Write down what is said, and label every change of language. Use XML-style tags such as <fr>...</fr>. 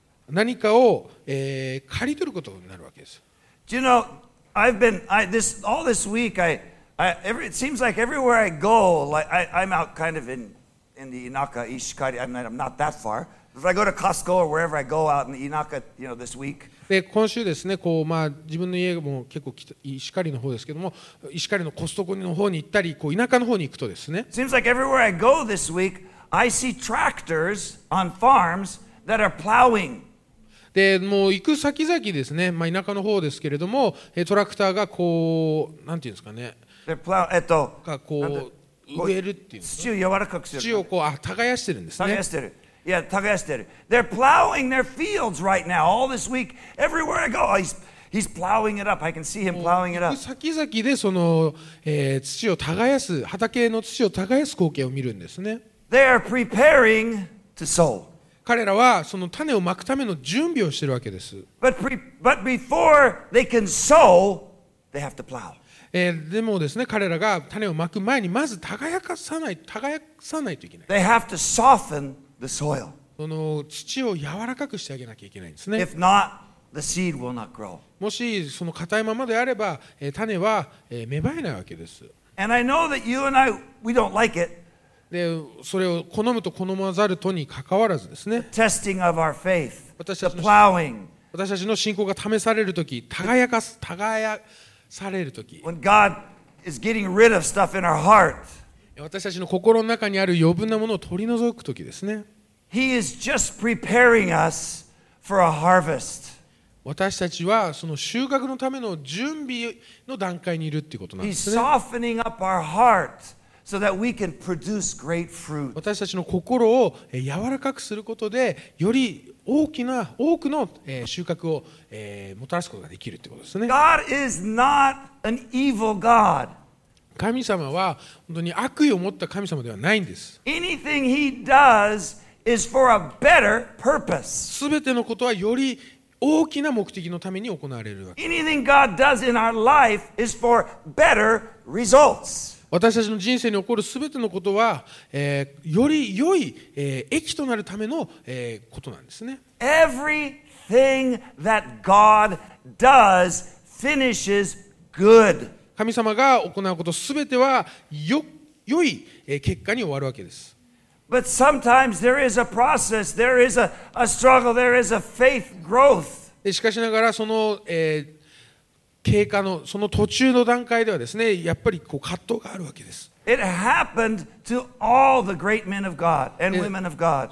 <ja>何かを、刈り取ることになるわけです。</ja> <en>Do you know, I've been, I, this, all this week, it seems like everywhere I go, like, I'm out kind of in the Inaka, Ishikari, I'm not that far. If I go to Costco or wherever I go out in the Inaka, you know, this week.</en> <ja>で、今週ですね、こう、まあ、自分の家も結構来た、Ishikariの方ですけども、Ishikariのコストコの方に行ったり、こう、田舎の方に行くとですね。</ja> <en>It seems like everywhere I go this week, I see tractors on farms. That are plowing.</en> <ja>で、もう行く先々ですね、まあ、田舎の方ですけれども、トラクターがこう、なんていうんですかね、がこう、植えるっていうんですか、土を柔らかくする。土をこう、耕してるんですね。耕してる。いや、耕してる。</ja> <en>They're plowing their fields right now, all this week, everywhere I go. Oh, he's plowing it up. I can see him plowing it up.</en> <ja>行く先々でその、土を耕す、畑の土を耕す光景を見るんですね。</ja> <en>They are preparing to sow.</en> <ja>彼らはその種をまくための準備をしているわけです。</ja> <en>But before they can sow, they have to plow.</en> <ja>でもですね、彼らが種をまく前にまず耕さないといけない。</ja> <en>They have to soften the soil.</en> <ja>その土を柔らかくしてあげなきゃいけないんですね。</ja> <en>If not, the seed will not grow.</en> <ja>もしその硬いままであれば、種は芽生えないわけです。</ja> <en>And I know that you and I, we don't like it.</en> <ja>でそれを好むと好まざるとに関わらずですね、</ja> <en>testing of our faith, the plowing,</en> <ja>私たちの信仰が試されるとき、耕されるとき、</ja> <en>when God is getting rid of stuff in our heart,</en> <ja>私たちの心の中にある余分なものを取り除くときですね、</ja> <en>He is just preparing us for a harvest.</en> <ja>私たちはその収穫のための準備の段階にいるっていうことなんですね。</ja> <en>He's softening up our heart. So that we can produce great fruit.</en> <ja>私たちの心を柔らかくすることで、より大きな多くの収穫をもたらすことができるということですね。</ja> <en>God is not an evil God.</en> <ja>神様は本当に悪意を持った神様ではないんです。</ja> <en>Anything he does is for a better purpose.</en> <ja>全てのことはより大きな目的のために行われるわけです。</ja> <en>Anything God does in our life is for better results.</en> <ja>私たちの人生に起こる全てのことは、より良い、益となるための、ことなんですね。</ja> <en>Everything that God does finishes good.</en> <ja>神様が行うこと全ては良い、結果に終わるわけです。</ja> <en>But sometimes there is a process, there is a struggle, there is a faith growth.</en> <ja>しかしながらその、経過のその途中の段階ではですね、やっぱりこう葛藤があるわけです。</ja> <en>It happened to all the great men of God and women of God.</en>